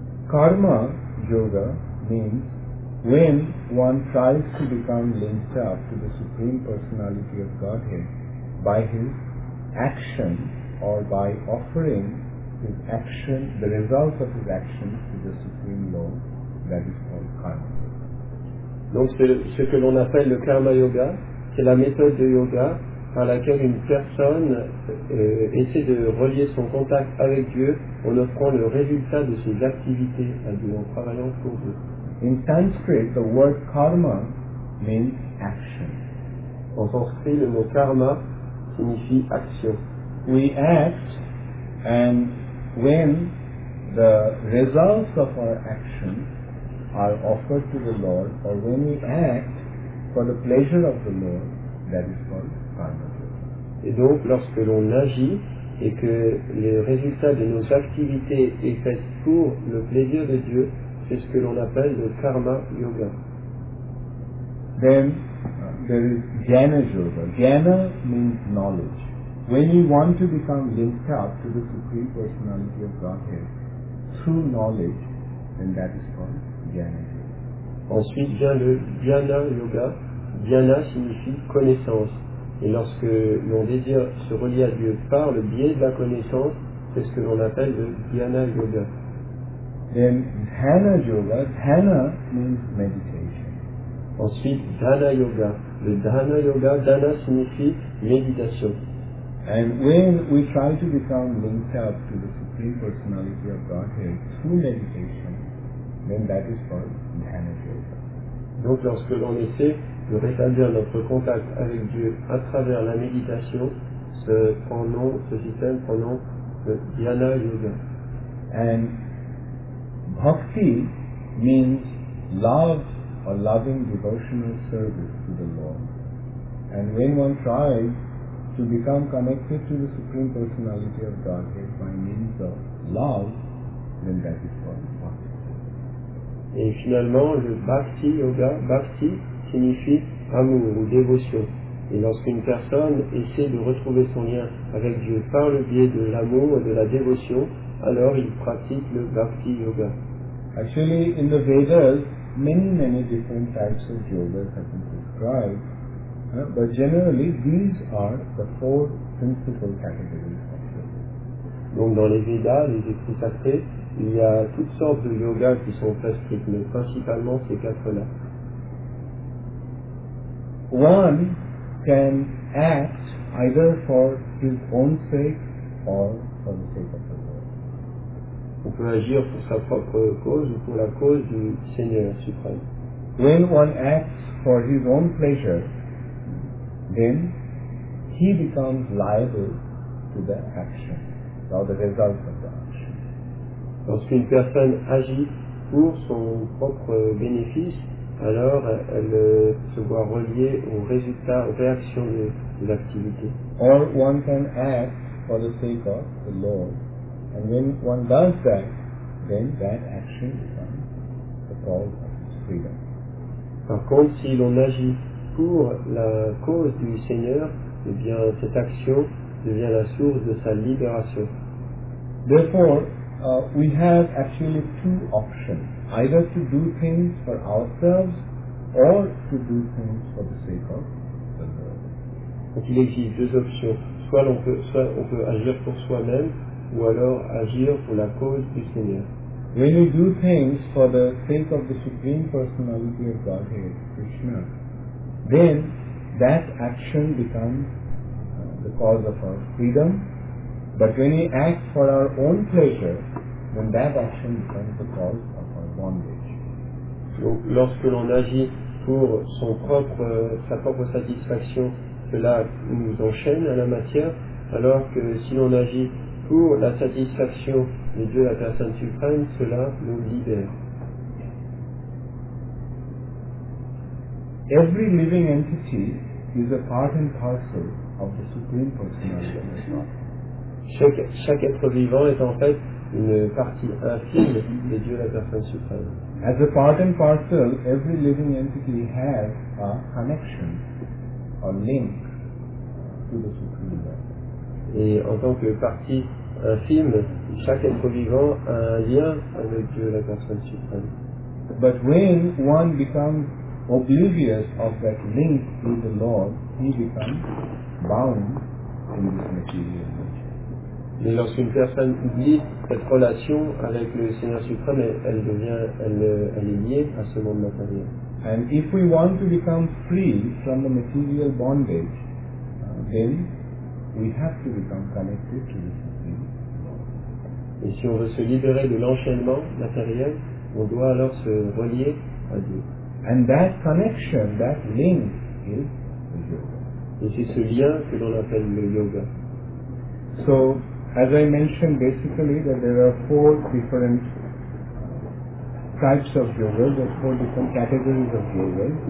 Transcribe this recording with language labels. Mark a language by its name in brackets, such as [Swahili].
[English] Karma yoga means when one tries to become linked up to the Supreme Personality of Godhead by his action or by offering his action, the results of his action to the Supreme Lord. That is called karma. [French] Donc ce que l'on appelle le karma yoga, c'est la méthode de yoga par laquelle une personne essaie de relier son contact avec Dieu en offrant le résultat de ses activités à Dieu, en travaillant pour Dieu. [English] In Sanskrit, the word karma means action. [French] En sanskrit, le mot karma signifie action. [English] We act, and when the results of our action are offered to the Lord, or when we act for the pleasure of the Lord, that is called karma. [French] Et donc, lorsque l'on agit et que le résultat de nos activités est fait pour le plaisir de Dieu, c'est ce que l'on appelle le karma yoga. [English] Then there is jnana yoga. Jnana means knowledge. When you want to become linked up to the Supreme Personality of Godhead through knowledge, then that is called jnana yoga. [French] Ensuite vient le jnana yoga. Jnana signifie connaissance. Et lorsque l'on désire se relier à Dieu par le biais de la connaissance, c'est ce que l'on appelle le Dhyana Yoga. [English] Then Dhyana Yoga, Dhyana means meditation. [French] Ensuite, Dhyana Yoga. Le Dhyana Yoga, Dhyana signifie méditation. [English] And when we try to become linked up to the Supreme Personality of Godhead through meditation, then that is called Dhyana Yoga. [French] Donc lorsque l'on essaie de rétablir notre contact avec Dieu à travers la méditation, ce système prend nom de Dhyana Yoga. [English] And bhakti means love or loving devotional service to the Lord. And when one tries to become connected to the Supreme Personality of Godhead by means of love, then that is called bhakti. [French] Et finalement, le bhakti yoga, bhakti signifie amour ou dévotion. Et lorsqu'une personne essaie de retrouver son lien avec Dieu par le biais de l'amour et de la dévotion, alors il pratique le bhakti yoga. [English] Actually, in the Vedas, many different types of yogas have been described, but generally these are the four principal categories of yoga. [French] Donc dans les Vedas, les écrits sacrés, il y a toutes sortes de yogas qui sont prescrites, mais principalement ces quatre-là. [English] One can act either for his own sake or for the sake of the Lord. [French] On peut agir pour sa propre cause ou pour la cause du Seigneur suprême. [English] When one acts for his own pleasure, then he becomes liable to the action or the results of the action. [French] Lorsqu'une personne agit pour son propre bénéfice, alors elle se voit reliée aux résultats, aux réactions de l'activité. [English] Or one can act for the sake of the Lord. And when one does that, then that action becomes the cause of his freedom. [French] Par contre, si l'on agit pour la cause du Seigneur, eh bien cette action devient la source de sa libération. [English] Therefore, we have actually two options, either to do things for ourselves or to do things for the sake of the Lord. [French] Donc il existe deux options, soit on peut agir pour soi-même ou alors agir pour la cause du Seigneur. [English] When we do things for the sake of the Supreme Personality of Godhead, Krishna, then that action becomes the cause of our freedom. But when we act for our own pleasure, then that action becomes the cause of our bondage. [French] Donc, lorsque l'on agit pour sa propre satisfaction, cela nous enchaîne à la matière, alors que si l'on agit pour la satisfaction de Dieu, la personne suprême, cela nous libère. [English] Every living entity is a part and parcel of the Supreme Personality of God. [French] Chaque être vivant est en fait une partie infime de Dieu, la personne suprême. [English] As a part and parcel, every living entity has a connection, a link to the Supreme Lord. [French] Et en tant que partie infime, chaque être vivant a un lien avec Dieu, la personne suprême. [English] But when one becomes oblivious of that link with the Lord, he becomes bound in this material world. [French] Mais lorsqu'une personne oublie cette relation avec le Seigneur suprême, elle est liée à ce monde matériel. [English] And if we want to become free from the material bondage, then we have to become connected to the Supreme Lord. [French] Et si on veut se libérer de l'enchaînement matériel, on doit alors se relier à Dieu. [English] And that connection, that link, is the yoga. [French] Et c'est ce lien que l'on appelle le yoga. [English] So, as I mentioned, basically that there are four different types of yoga, there are four different categories of yoga.